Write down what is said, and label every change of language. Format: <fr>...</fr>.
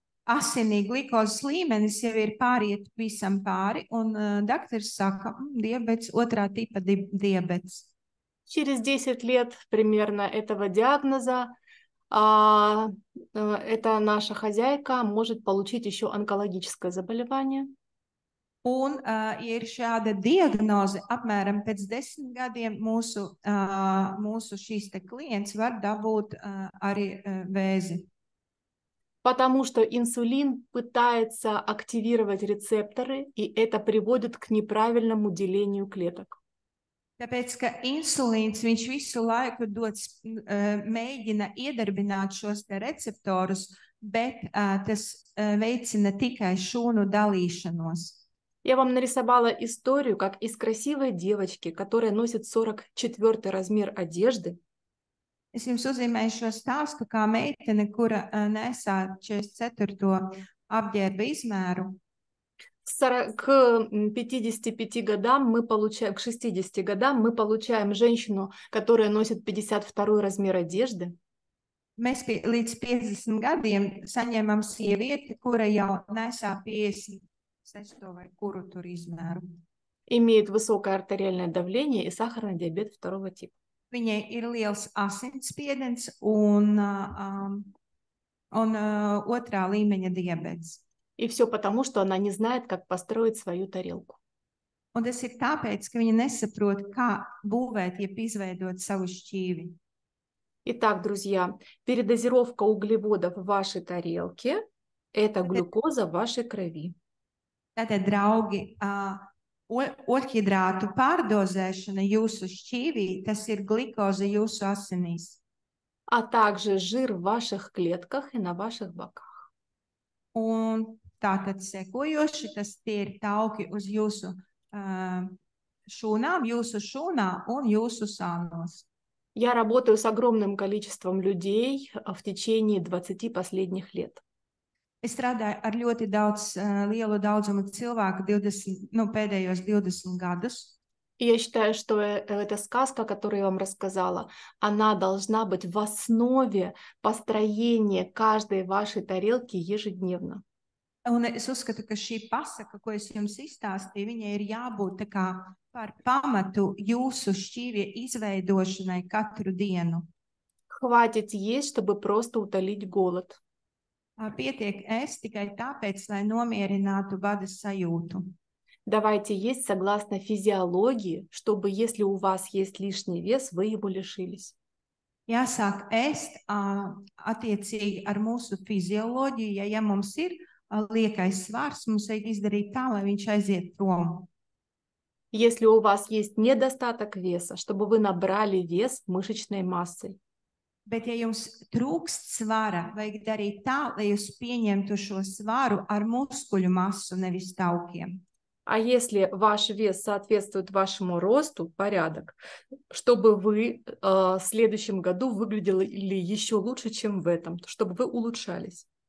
<lv>Asinī glikozes līmenis jau ir pāriet visam pāri, un dakteris saka, diabets, 2. Tipa diabets.</lv> <ru>Через 10 лет примерно этого диагноза эта наша хозяйка может получить еще онкологическое заболевание.</ru> <lv>Un ir šāda diagnoze, apmēram pēc 10 gadiem mūsu šīs te klients var dabūt arī vēzi.</lv> <ru>Потому что инсулин пытается активировать рецепторы, и это приводит к неправильному делению клеток.</ru> <lv>Tāpēc, ka insulīns viņš visu laiku mēģina iedarbināt šos te receptorus, bet tas veicina tikai šūnu dalīšanos.</lv> <ru>Я вам нарисовала историю, как из красивой девочки, которая носит 44 размер одежды.</ru> <lv>Es jums uzīmēju šo stāstu, kā meitene, kura nesā 44 apģērba izmēru.</lv> <ru>К 55 годам мы получаем, к 60 годам мы получаем женщину, которая носит 52 размер одежды.</ru> <lv>Mēs līdz 50 gadiem saņēmām sievieti, kura jau nesā 56 vai kuru tur izmēru.</lv> <ru>Имеет высокое артериальное давление и сахарный диабет 2-го типа.</ru> <lv>Viņai ir liels asinsspiediens un, otrā līmeņa diabets.</lv> <ru>И все потому, что она не знает, как построить свою тарелку.</ru> <lv>Un tas ir tāpēc, ka viņa nesaprot, kā būvēt, jeb izveidot savu šķīvi.</lv> <ru>Итак, друзья, передозировка углеводов в вашей тарелке – это глюкоза в вашей крови.</ru> <lv>Tātad, draugi, ohidrātu pārdozēšana jūsu šķīvī, tas ir glikoze jūsu asinīs.</lv> <ru>А также жир в ваших клетках и на ваших боках.</ru> <lv>Un tātad sekojoši, tas tie ir tauki uz jūsu šūnām, jūsu šūnā un jūsu sānos.</lv> <ru>Я работаю с огромным количеством людей в течение 20 последних лет.</ru> <lv>Es strādāju ar ļoti daudz, lielu daudzumu cilvēku 20, nu, pēdējos 20 gadus.</lv> <ru>Я считаю, что эта сказка, которую я вам рассказала, она должна быть в основе построения каждой вашей тарелки ежедневно.</ru> <lv>Un es uzskatu, ka šī pasaka, ko es jums izstāstīju, viņai ir jābūt tā kā par pamatu jūsu šķīvja izveidošanai katru dienu.</lv> <ru>Хватит есть, чтобы просто утолить голод.</ru> <lv>Pietiek ēst tikai tāpēc, lai nomierinātu bada sajūtu.</lv> <ru>Давайте есть согласно физиологии, чтобы если у вас есть лишний вес, вы его лишились.</ru> <lv>Jāsāk ēst attiecīgi ar mūsu fizioloģiju, ja mums ir liekais svars, mums vajag izdarīt tā, lai viņš aiziet prom.</lv> <ru>Если у вас есть недостаток веса, чтобы вы набрали вес мышечной массой.</ru> <lv>Bet ja jums trūkst svara, vajag darīt tā, lai jūs pieņemtu šo svaru ar muskuļu masu, nevis taukiem.</lv> <ru>А если ваш вес соответствует вашему росту, порядок, чтобы вы в следующем году выглядели еще лучше, чем в этом, чтобы вы улучшались.</ru>